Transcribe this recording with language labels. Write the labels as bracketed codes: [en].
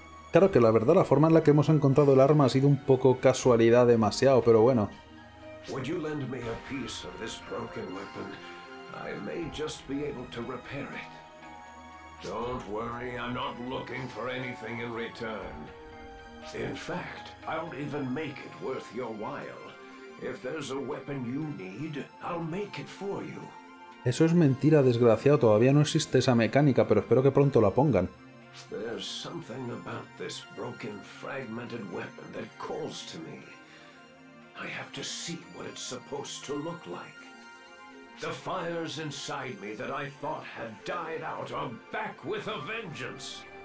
[es] Claro que la verdad, la forma en la que hemos encontrado el arma ha sido un poco casualidad demasiado, pero bueno. [en] Would you lend me a piece of this broken weapon? I may just be able to repair it. Don't worry, I'm not looking for anything in return. In fact, I'll even make it worth your while. If there's a weapon you need, I'll make it for you. [es] Eso es mentira, desgraciado. Todavía no existe esa mecánica, pero espero que pronto la pongan. [en] There's something about this broken, fragmented weapon that calls to me. I have to see what it's supposed to look like. The fires inside me that I thought had died out are back with a vengeance.